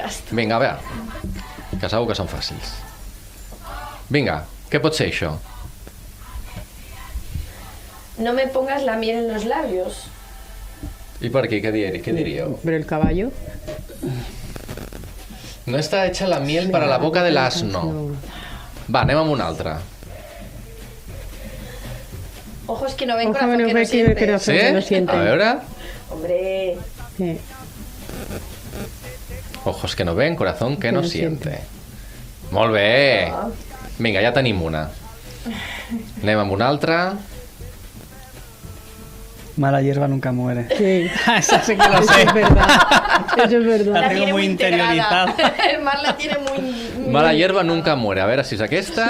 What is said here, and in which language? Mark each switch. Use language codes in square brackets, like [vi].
[ca] Vinga, a veure, que segur que són fàcils. [es] Vinga. ¿Qué puede ser eso? No me pongas la miel en los labios. ¿Y por qué? ¿Qué diría? ¿Pero el caballo? No está hecha la miel para la boca del asno. [ca] Va, anem amb una altra. [es] Ojos que no ven con la fe que no siente. Que no fe, ¿sí? Que no siente. A ver. Hombre. Sí. Ojos que no ven, corazón que no siente. [ca] Molt bé. Vinga, ja tenim una. Anem amb una altra. [es] Mala hierba nunca muere. Sí. [ca] Això sí que lo sé. [es] Eso es verdad. Eso es verdad. La tengo muy interiorizada. El mal la tiene muy... Mala hierba nunca muere. [ca] A veure si és aquesta.